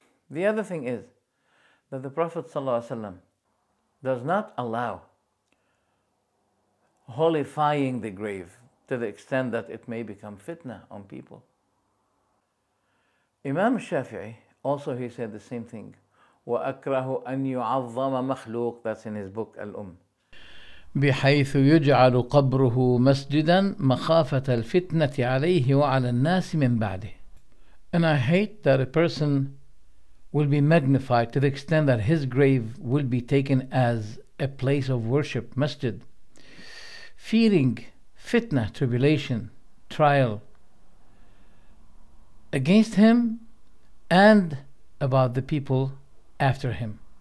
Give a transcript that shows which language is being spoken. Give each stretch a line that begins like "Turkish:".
English: The other thing is that the Prophet ﷺ does not allow holifying the grave to the extent that it may become fitna on people. Imam Shafi'i also, he said the same thing.
Arabic: وَأَكْرَهُ أَن يُعَظَّمَ مَخْلُوقٌ.
English: That's in his book Al-Umm.
Arabic: بحيث يجعل قبره مسجدا مخافة الفتنة عليه وعلى الناس من بعده.
English: And I hate that a person will be magnified to the extent that his grave will be taken as a place of worship, masjid, fearing fitna, tribulation, trial against him and about the people after him.